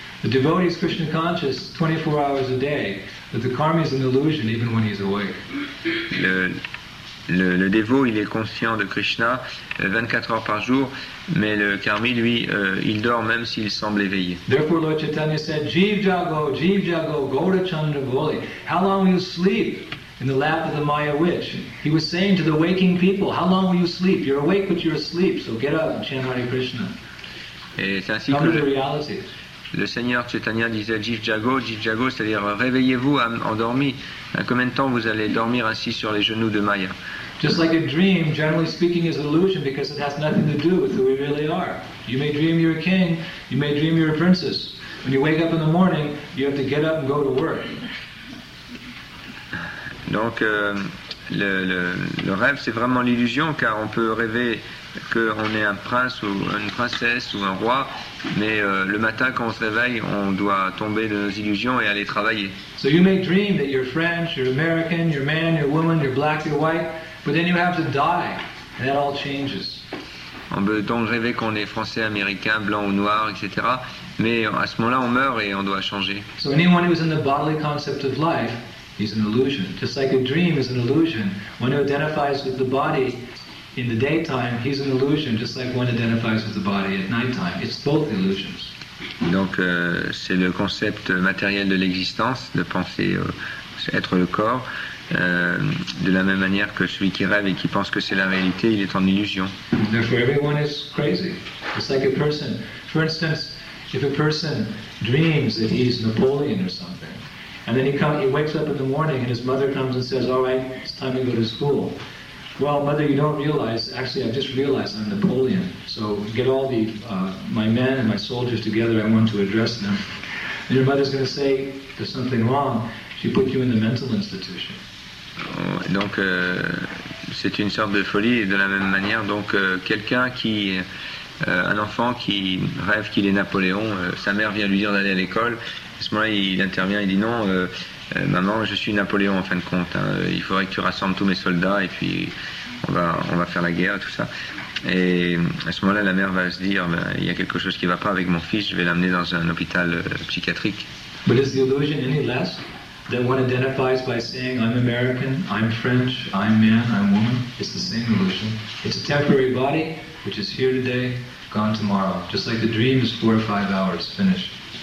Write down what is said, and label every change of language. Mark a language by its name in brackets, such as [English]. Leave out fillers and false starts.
[English] The devotee is Krishna conscious 24 hours a day, but the karma is an illusion even when he's awake. [French] Le, Le dévot, il est conscient de Krishna 24 heures par jour, mais le karmi, lui, il dort même s'il semble éveillé. [English] Therefore, Lord Chaitanya said, [Bangla] jeev jago, gora chandra voli. [English] How long will you sleep in the lap of the Maya witch? He was saying to the waking people, how long will you sleep? You're awake, but you're asleep, so get up and chant Hare Krishna. [French] Et c'est ainsi que le Seigneur Chaitanya disait, [Bangla] jeev jago, [French] c'est-à-dire réveillez-vous, endormi. Combien de temps vous allez dormir ainsi sur les genoux de Maya? [English] Just like a dream, generally speaking, is an illusion because it has nothing to do with who we really are. You may dream you're a king, you may dream you're a princess. When you wake up in the morning, you have to get up and go to work. [French] Donc, le rêve, c'est vraiment l'illusion, car on peut rêver qu'on est un prince ou une princesse ou un roi, mais le matin, quand on se réveille, on doit tomber de nos illusions et aller travailler. [English] So you may dream that you're French, you're American, you're man, you're woman, you're black, you're white, but then you have to die, and that all changes. [French] On peut donc rêver qu'on est français, américain, blanc ou noir, etc. Mais à ce moment-là, on meurt et on doit changer. [English] So anyone who's in the bodily concept of life, he's an illusion. Just like a dream is an illusion. One who identifies with the body in the daytime, he's an illusion. Just like one identifies with the body at nighttime, it's both illusions. [French] Donc, c'est le concept matériel de l'existence, de penser être le corps. De la même manière que celui qui rêve et qui pense que c'est la réalité, il est en illusion. [English] Therefore, everyone is crazy. Just like a person. For instance, if a person dreams that he's Napoleon or something, and then he wakes up in the morning and his mother comes and says, "All right, it's time to go to school." Well, mother, you don't realize. Actually, I've just realized I'm Napoleon. So get all the my men and my soldiers together. I want to address them. And your mother's going to say there's something wrong. She put you in the mental institution. [French] Donc, c'est une sorte de folie. De la même manière, donc quelqu'un qui, un enfant qui rêve qu'il est Napoléon, sa mère vient lui dire d'aller à l'école. À ce moment-là, il intervient. Il dit non. Maman, je suis Napoléon en fin de compte. Hein. Il faudrait que tu rassembles tous mes soldats et puis on va faire la guerre et tout ça. Et à ce moment-là, la mère va se dire, ben, il y a quelque chose qui ne va pas avec mon fils, je vais l'amener dans un hôpital psychiatrique. [English] But is the illusion any less than one identifies by saying I'm American, I'm French, I'm man, I'm woman? It's the same illusion. It's a temporary body which is here today, gone tomorrow. Just like the dream is 4 or 5 hours, finished.